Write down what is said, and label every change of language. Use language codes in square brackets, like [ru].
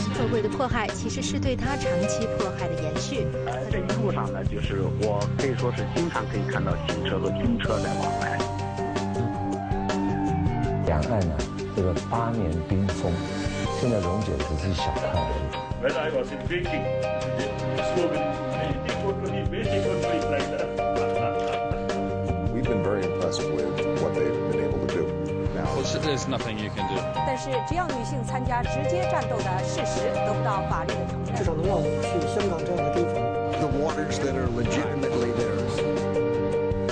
[zh] 社会的迫害其实是对他长期迫害的延续。这一路上呢，就是我可以说是经常可以看到警车和军车在往来。两岸呢，这个8年冰封，现在溶解只是小块而已。 [en] When I was in Beijing, the slogan is "Beijing for me, Beijing for me." We've been very impressed with what they've been able to do. Now, there's nothing you can do. [zh] 但是，只要女性参加直接战斗的事实得不到法律的承认，至少能让我们去香港这样的地方。 [en] The waters that are legitimately there.